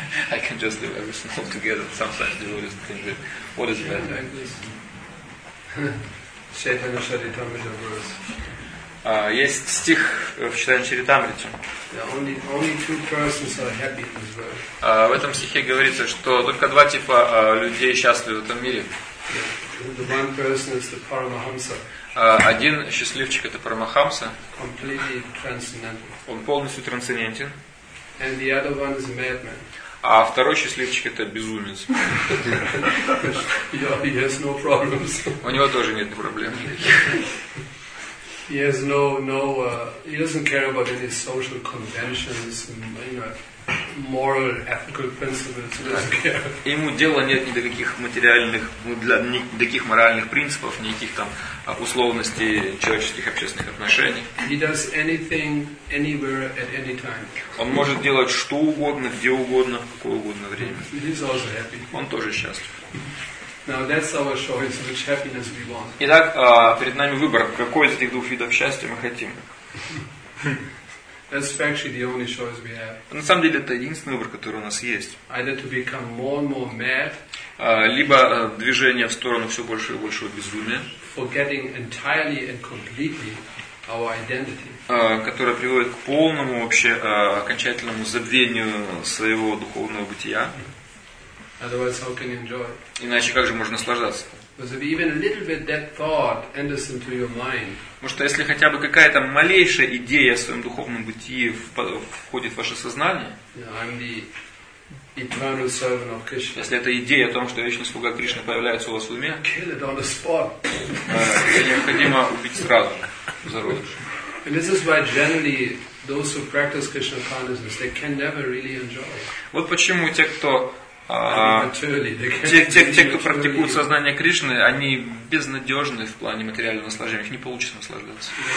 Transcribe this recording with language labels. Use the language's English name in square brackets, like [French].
[English] I can just live everything all together. Sometimes the world is thinking, what is better? Chaitanya Charitamrita verse. [Russian] Есть стих в Chaitanya Charitamrita. [English] Only two persons are happy in this world. [Russian] В этом стихе говорится, что только два типа людей счастливы в этом мире. [English] The one person is the Paramahamsa. [Russian] Один счастливчик — это Парамахамса. [English] Completely transcendental. [Russian] Он полностью трансцендентен. [English] And the other one is a madman. [Russian] А второй счастливчик — это безумец. [English] He has no problems. [Russian] У него тоже нет проблем. [English] He has no he doesn't care about any social conventions and moral, ethical principles. [Russian] Ему дела нет ни до каких материальных, ни до каких моральных принципов, никаких там условностей человеческих общественных отношений. [English] He does anything, anywhere, at any time. [Russian] Он может делать что угодно, где угодно, в какое угодно время. [English] He is also happy. [Russian] Он тоже счастлив. [English] Now that's our choice, which happiness we want. [Russian] Итак, перед нами выбор, какой из этих двух видов счастья мы хотим. [English] That's actually the only choice we have. [Russian] На самом деле это единственный выбор, который у нас есть. [English] Either to become more and more mad. [Russian] Либо движение в сторону все больше и большего безумия. [English] Forgetting entirely and completely our identity. [Russian] Которое приводит к полному вообще окончательному забвению своего духовного бытия. [English] Otherwise, how can you enjoy? [Russian] Иначе как же можно наслаждаться? [English] Because if even a little bit that thought enters into your mind. [Russian] Потому что если хотя бы какая-то малейшая идея о своем духовном бытии входит в ваше сознание. [English] Eternal servant of Krishna. [Russian] Если эта идея о том, что вечный слуга Кришны появляется у вас в уме, [English] kill it on the spot. [Russian] Необходимо убить сразу, зародыш. [English] And this is why generally Those who practice Krishna consciousness, they can never really enjoy. [Russian] Вот почему те, кто те, кто практикуют сознание Кришны, они безнадежны в плане материального наслаждения, их не получится наслаждаться.